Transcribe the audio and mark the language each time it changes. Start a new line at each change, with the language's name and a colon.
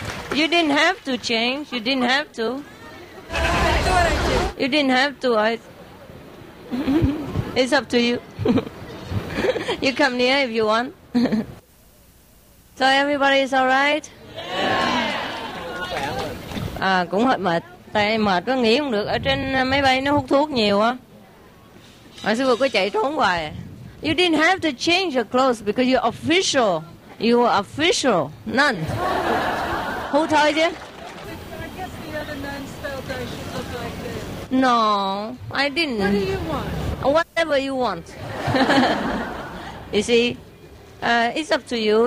English: You didn't have to change. You didn't have to. You didn't have to. It's up to you. You come near if you want. So everybody is all right?
Vietnamese: À, cũng hơi mệt. Tại mệt quá nghỉ không được. Ở trên máy bay nó hút thuốc nhiều á. Mọi sư phụ có chạy trốn hoài.
English: You didn't have to change your clothes because you're official. You were official. None. Who told you? I guess the other nuns felt I should look like this. No, I didn't. What do you want? Whatever you want. You see, it's up to you.